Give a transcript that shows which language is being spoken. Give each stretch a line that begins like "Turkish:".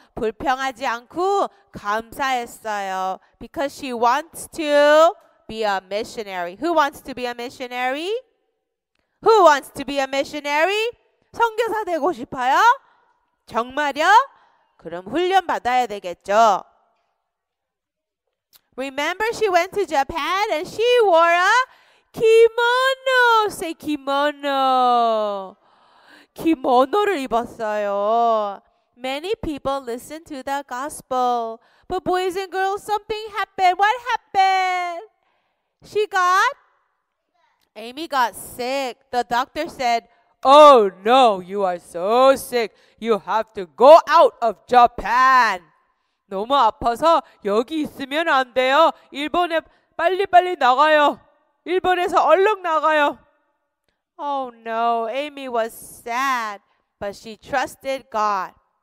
Korean: 불평하지 않고 감사했어요.
English: Because she wants to be a missionary. Who wants to be a missionary? Who wants to be a missionary?
Korean: 선교사 되고 싶어요? 정말요? 그럼 훈련 받아야 되겠죠.
English: Remember she went to Japan and she wore a kimono. Say kimono.
Korean: Kimono를 입었어요.
English: Many people listened to the gospel. But boys and girls, something happened. What happened? Amy got sick. The doctor said, "Oh no, you are so sick. You have to go out of Japan."
Korean: 너무 아파서 여기 있으면 안 돼요. 일본에 빨리빨리 나가요. 일본에서 얼른 나가요.
English: Oh no, Amy was sad, but she trusted God.